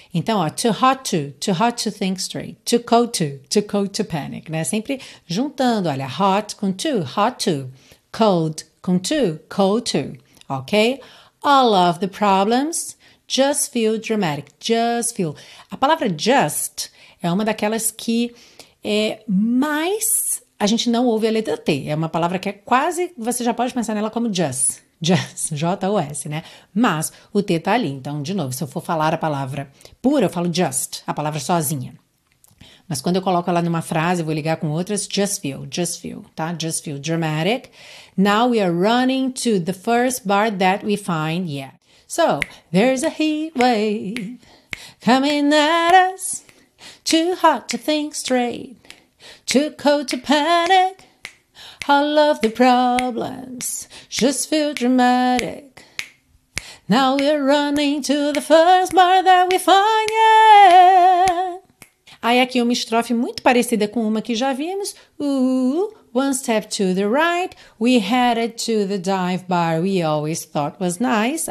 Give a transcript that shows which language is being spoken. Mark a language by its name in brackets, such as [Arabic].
[Portuguese] Então, ó, [English] too hot to think straight, too cold to panic, né? [Portuguese] Sempre juntando, olha, hot com too, [English] hot to, [Portuguese] cold com too, [English] cold to, [Portuguese] ok? [English] All of the problems just feel dramatic, just feel. [Portuguese] A palavra just é uma daquelas que é mais, a gente não ouve a letra T, é uma palavra que é quase, você já pode pensar nela como just. Just, J-O-S, né? Mas o T tá ali. Então, de novo, se eu for falar a palavra pura, eu falo just, a palavra sozinha. Mas quando eu coloco ela numa frase, vou ligar com outras, [English] just feel, [Portuguese] tá? [English] Just feel dramatic. Now we are running to the first bar that we find, yeah. So, there's a heat wave coming at us. Too hot to think straight. Too cold to panic. All of the problems just feel dramatic. Now we're running to the first bar that we find, yeah. [Portuguese] Aí aqui uma estrofe muito parecida com uma que já vimos. [English] Ooh, one step to the right, we headed to the dive bar we always thought was nice.